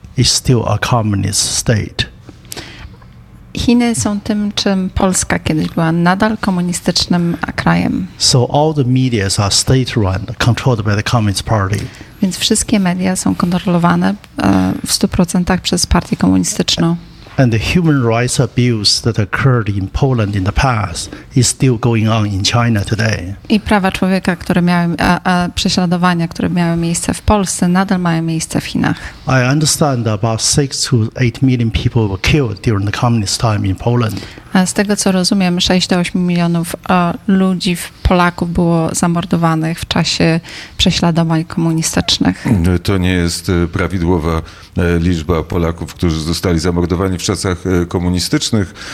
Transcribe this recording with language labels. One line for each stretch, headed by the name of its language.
English: It's still a communist state.
Polish: Chiny są tym, czym Polska kiedyś była, nadal komunistycznym krajem.
English: So all the media are state-run, controlled by the Communist Party.
Polish: Więc wszystkie media są kontrolowane w 100% przez partię komunistyczną.
English: And the human rights abuse that occurred in Poland in the past is still going on in China today.
Polish: I prawa człowieka, które miały prześladowania, które miały miejsce w Polsce, nadal mają miejsce w Chinach.
English: I understand that about 6 to 8 million people were killed during the communist time in Poland.
Polish: A z tego co rozumiem, 6 do 8 milionów ludzi, Polaków było zamordowanych w czasie prześladowań komunistycznych. To nie jest prawidłowa liczba Polaków, którzy zostali zamordowani w czasach komunistycznych.